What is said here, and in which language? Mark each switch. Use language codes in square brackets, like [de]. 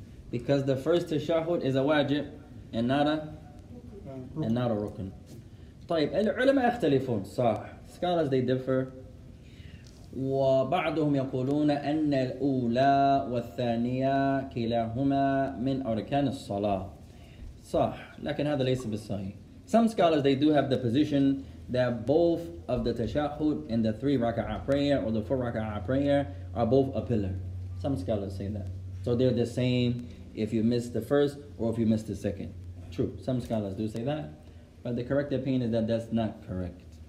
[en] Because the first tashahud is a wajib and not a and not a rukun. [ar] طيب العلماء يختلفون صح. [en] Scholars they differ. [ar] وبعضهم يقولون أن الأولى والثانية كلاهما من أركان الصلاة. صح. لكن هذا ليس بالصحيح. [en] Some scholars they do have the position that both of the tashahud and the three raka'ah prayer or the four raka'ah prayer are both a pillar. Some scholars say that. So they're the same if you miss the first or if you miss the second. True, some scholars do say that. But the correct opinion is that that's not correct.